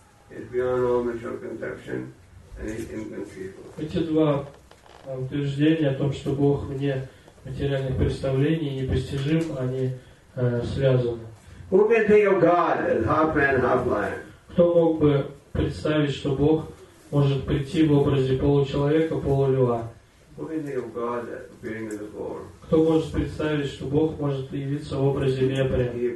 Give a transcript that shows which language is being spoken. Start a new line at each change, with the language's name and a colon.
English: He's beyond all material conception and he's inconceivable.
Russian: Эти два утверждения о том, что Бог вне материальных представлений и непостижим, они связаны.
English: Who can think of God as half man, half lion?
Russian: Кто мог бы представить, что Бог может прийти в образе получеловека, полулюа? Кто может представить, что Бог может явиться в образе вепря?